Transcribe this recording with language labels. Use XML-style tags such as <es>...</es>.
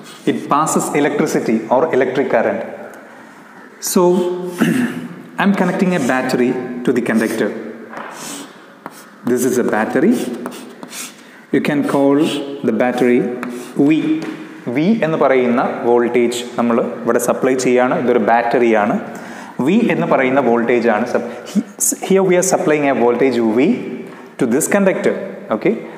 <en>It passes electricity or electric current. So, I'm connecting a battery to the conductor. This is a battery. You can call the battery V.</en> <ml>V എന്ന് പറയുന്ന voltage നമ്മൾ ഇവിടെ supply ചെയ്യുകയാണ്. ഇതൊരു ബാറ്ററിയാണ്. V എന്ന് പറയുന്ന voltage ആണ്.</ml> <en>Here we are supplying a voltage V to this conductor. Okay?</en>